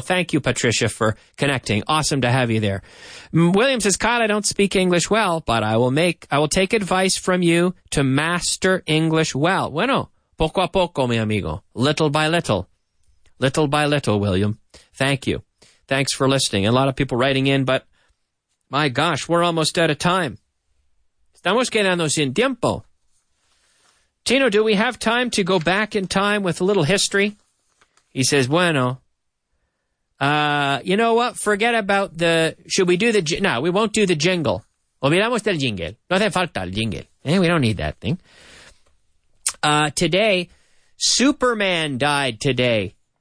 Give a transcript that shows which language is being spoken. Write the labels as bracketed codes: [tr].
[en] Thank you, Patricia, for connecting. Awesome to have you there. William says, Kyle, I don't speak English well, but I will take advice from you to master English well. [es] Bueno, poco a poco, mi amigo. [en] Little by little. Little by little, William. Thank you. Thanks for listening. A lot of people writing in, but my gosh, we're almost out of time. [es] Estamos quedando sin tiempo. [en] Tino, do we have time to go back in time with a little history? He says, [es] bueno. [en] You know what? Forget about the... Should we do the... No, we won't do the jingle. [es] Olvidamos del jingle. No hace falta el jingle. [en] Eh, we don't need that thing. Today, Superman died today.